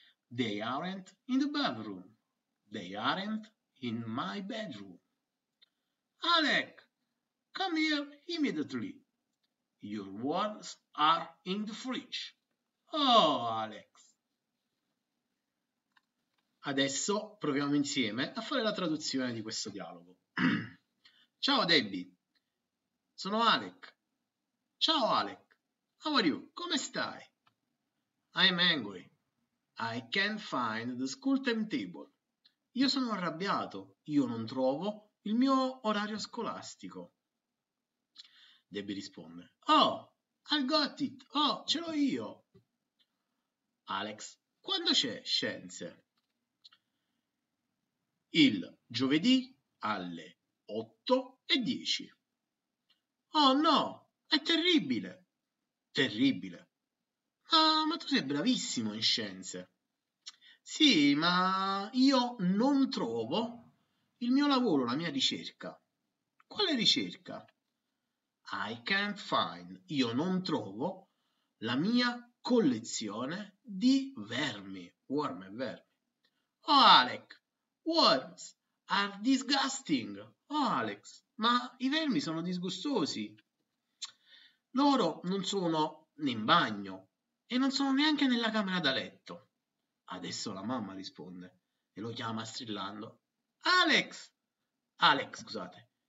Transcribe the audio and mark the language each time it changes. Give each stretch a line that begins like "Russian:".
English: They aren't in the bathroom. They aren't in my bedroom. Alec, come here immediately. Your worms are in the fridge. Oh, Alex.
Italian: Adesso proviamo insieme a fare la traduzione di questo dialogo. Ciao Debbie, sono Alec. Ciao Alec,
English: how are you?
Italian: Come stai?
English: I'm angry. I can't find the school timetable.
Italian: Io sono arrabbiato. Io non trovo il mio orario scolastico. Debbie risponde.
English: Oh, I got it.
Italian: Oh, ce l'ho io. Alex, quando c'è scienze? Il giovedì alle 8:10. Oh no, è terribile. Terribile. Ma tu sei bravissimo in scienze. Sì, ma io non trovo il mio lavoro, la mia ricerca. Quale ricerca?
English: I can't find,
Italian: io non trovo, la mia collezione di vermi. Worm e vermi.
English: Oh, Alec, worms are disgusting.
Italian: Oh, Alex, ma i vermi sono disgustosi. Loro non sono né in bagno e non sono neanche nella camera da letto. Adesso la mamma risponde e lo chiama strillando. Alex! Alex, scusate.